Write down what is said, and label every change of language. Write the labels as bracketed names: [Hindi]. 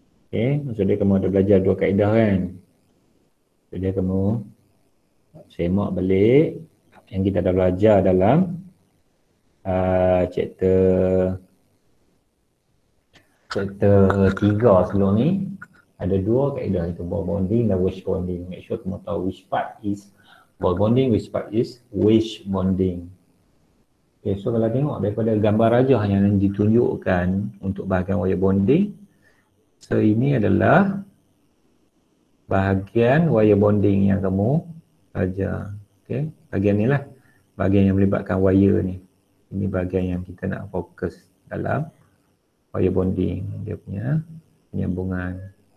[Malay] Okey, maksudnya kamu ada belajar dua kaedah kan. Jadi kamu semak balik yang kita dah belajar dalam chapter 3 sebelum ni. Ada dua kaedah, itu ball bonding dan wedge bonding. [English] Make sure [Malay] kamu tahu [English] which part is ball bonding, which part is wedge bonding. [Malay] Okay, so kalau tengok daripada gambar aja yang ditunjukkan untuk bahagian wire bonding. So ini adalah bahagian wire bonding yang kamu belajar. Okay, bahagian ni lah, bahagian yang melibatkan wire ni. Ini bahagian yang kita nak fokus dalam wire bonding, dia punya penyambungan.